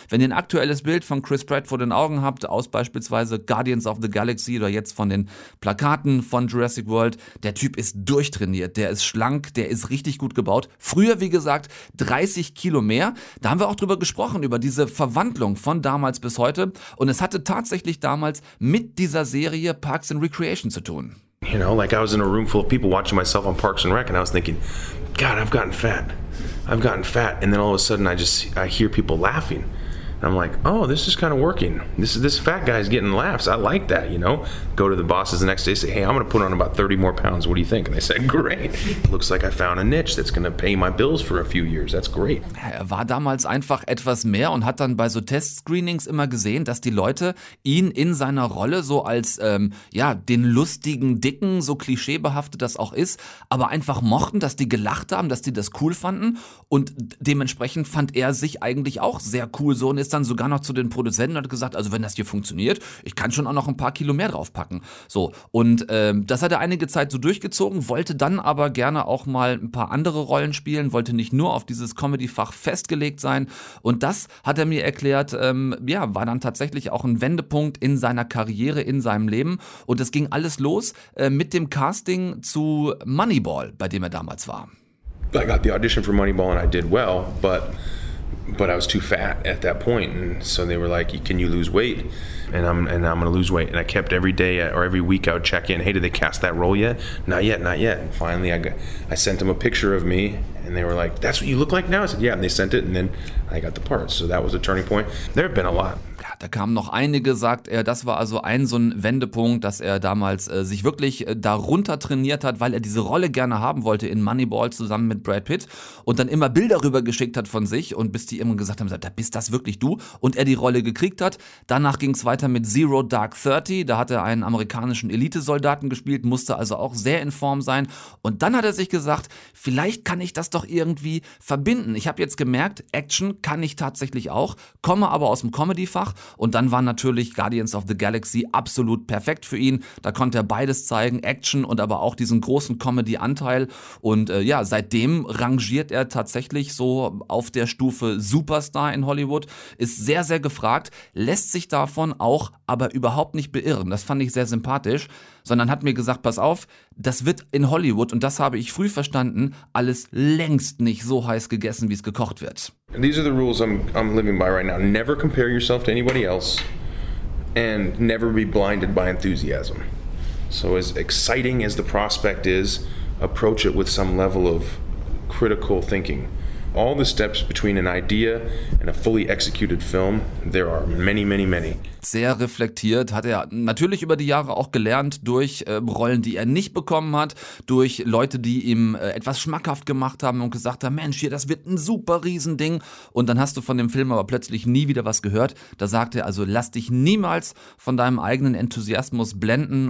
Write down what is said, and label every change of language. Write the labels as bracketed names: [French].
[German] Wenn ihr ein aktuelles Bild von Chris Pratt vor den Augen habt, aus beispielsweise Guardians of the Galaxy oder jetzt von den Plakaten von Jurassic World, der Typ ist durchtrainiert, der ist schlank, der ist richtig gut gebaut. Früher, wie gesagt, 30 Kilo mehr. Da haben wir auch drüber gesprochen, über diese Verwandlung von damals bis heute. Und es hatte tatsächlich damals mit dieser Serie Parks and Recreation zu tun. [English] You know, like I was in a room full of people watching myself on Parks and Rec and I was thinking, God, I've gotten fat. I've gotten fat, and then all of a sudden I hear people laughing. And I'm like, oh, this is kind of working. This fat guy's getting laughs. I like that, you know? Go to the bosses the next day, say, hey, I'm going to put on about 30 more pounds. What do you think? And they said, great. Looks like I found a niche that's going to pay my bills for a few years. That's great. [German] Er war damals einfach etwas mehr und hat dann bei so Test-Screenings immer gesehen, dass die Leute ihn in seiner Rolle so als, den lustigen Dicken, so klischeebehaftet das auch ist, aber einfach mochten, dass die gelacht haben, dass die das cool fanden. Und dementsprechend fand er sich eigentlich auch sehr cool so. Ist dann sogar noch zu den Produzenten und hat gesagt, also wenn das hier funktioniert, ich kann schon auch noch ein paar Kilo mehr draufpacken. So, und das hat er einige Zeit so durchgezogen, wollte dann aber gerne auch mal ein paar andere Rollen spielen, wollte nicht nur auf dieses Comedy-Fach festgelegt sein. Und das, hat er mir erklärt, war dann tatsächlich auch ein Wendepunkt in seiner Karriere, in seinem Leben. Und es ging alles los mit dem Casting zu Moneyball, bei dem er damals war. [English] I got the audition for Moneyball and I did well, but I was too fat at that point, and so they were like, can you lose weight? And I'm gonna lose weight. And I kept every day or every week I would check in, hey, did they cast that role yet? Not yet. And finally I sent them a picture of me and they were like, that's what you look like now? I said, yeah, and they sent it, and then I got the part. So that was a turning point. There have been a lot. [German] da kam noch einige, sagt er. Das war also so ein Wendepunkt, dass er damals sich wirklich darunter trainiert hat, weil er diese Rolle gerne haben wollte in Moneyball zusammen mit Brad Pitt und dann immer Bilder rübergeschickt hat von sich und bis die immer gesagt haben, da bist das wirklich du und er die Rolle gekriegt hat. Danach ging es weiter mit Zero Dark Thirty, da hat er einen amerikanischen Elitesoldaten gespielt, musste also auch sehr in Form sein und dann hat er sich gesagt, vielleicht kann ich das doch irgendwie verbinden. Ich habe jetzt gemerkt, Action kann ich tatsächlich auch, komme aber aus dem Comedy-Fach und dann war natürlich Guardians of the Galaxy absolut perfekt für ihn. Da konnte er beides zeigen, Action und aber auch diesen großen Comedy-Anteil. Und seitdem rangiert er tatsächlich so auf der Stufe Superstar in Hollywood. Ist sehr, sehr gefragt, lässt sich davon auch aber überhaupt nicht beirren. Das fand ich sehr sympathisch. Sondern hat mir gesagt, pass auf, das wird in Hollywood, und das habe ich früh verstanden, alles längst nicht so heiß gegessen, wie es gekocht wird. [English] And these are the rules I'm living by right now. Never compare yourself to anybody else. And never be blinded by enthusiasm. So as exciting as the prospect is, approach it with some level of critical thinking. All the steps between an idea and a fully executed film, there are many, many, many. [German] Sehr reflektiert, hat er natürlich über die Jahre auch gelernt durch Rollen, die er nicht bekommen hat, durch Leute, die ihm etwas schmackhaft gemacht haben und gesagt haben, Mensch, hier, das wird ein super Riesending. Und dann hast du von dem Film aber plötzlich nie wieder was gehört. Da sagt er also, lass dich niemals von deinem eigenen Enthusiasmus blenden.